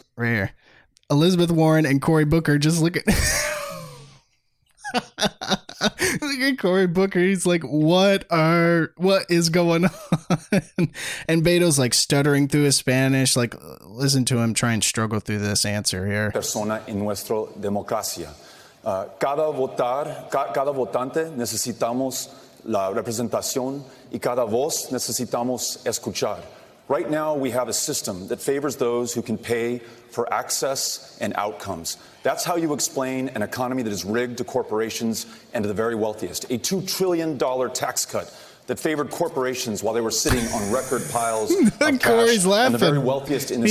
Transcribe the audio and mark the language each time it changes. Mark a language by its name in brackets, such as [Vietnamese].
[English] right here. Elizabeth Warren and Cory Booker. Just look at look at Cory Booker. He's like, what is going on? And Beto's like stuttering through his Spanish. Like, listen to him try and struggle through this answer here. [Spanish] Persona en nuestra democracia. Cada votar, cada votante necesitamos la representación y cada voz necesitamos escuchar. [English] Right now, we have a system that favors those who can pay for access and outcomes. That's how you explain an economy that is rigged to corporations and to the very wealthiest. A $2 trillion tax cut that favored corporations while they were sitting on record piles of cash and the very wealthiest in this